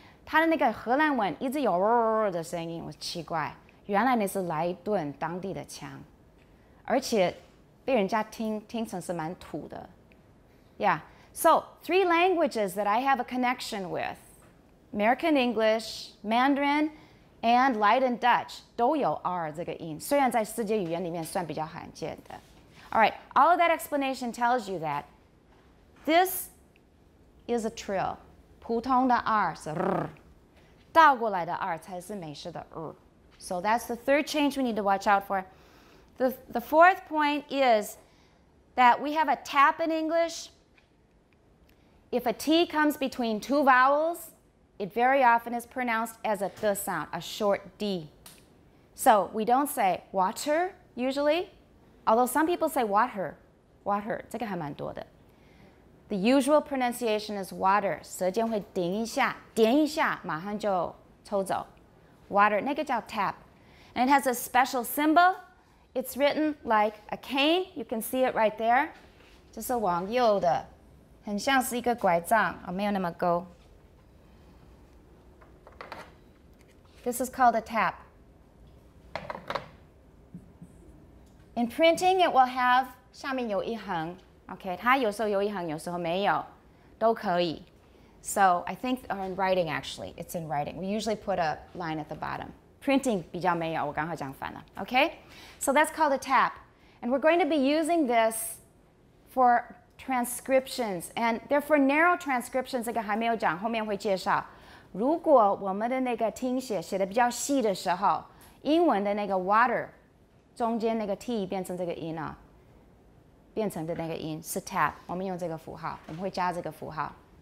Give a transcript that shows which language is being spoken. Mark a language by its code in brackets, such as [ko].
[zh] 她的那个荷兰文一直有 rrrr 的声音，我奇怪，原来那是莱顿当地的腔，而且被人家听成是蛮土的。 [en] Yeah, so three languages that I have a connection with. American English, Mandarin, and Leiden Dutch [zh] 都有 R 这个音，虽然在世界语言里面算比较罕见的。 [en] All right, all of that explanation tells you that this is a trill. [zh] 普通的 R 是 R, 倒过来的 R 才是美式的 R. [en] So that's the third change we need to watch out for. The fourth point is that we have a tap in English. If a T comes between two vowels,It very often is pronounced as a th sound, a short d. So we don't say water usually, although some people say water, water, [zh] 这个还蛮多的。 [en] The usual pronunciation is water, [zh] 舌尖会顶一下，点一下，马上就抽走。 [en] Water, [zh] 那个叫 [en] tap. And it has a special symbol. It's written like a cane, you can see it right there. [zh] 这是往右的，很像是一个拐杖，没有那么勾。 [en] This is called a tap. In printing, it will have [zh] 下面有一横 okay, 它有时候有一横，有时候没有，都可以。 [en] So I think, or in writing actually, it's in writing. We usually put a line at the bottom. Printing [zh] 比较没有，我刚好讲反了 [en] okay? So that's called a tap. And we're going to be using this for transcriptions, and they're for narrow transcriptions. [zh] 这个还没有讲，后面会介绍。如果我们的那个听写写的比较细的时候，英文的那个 water 中间那个 t 变成这个音啊，变成的那个音是 tap， 我们用这个符号，我们会加这个符号。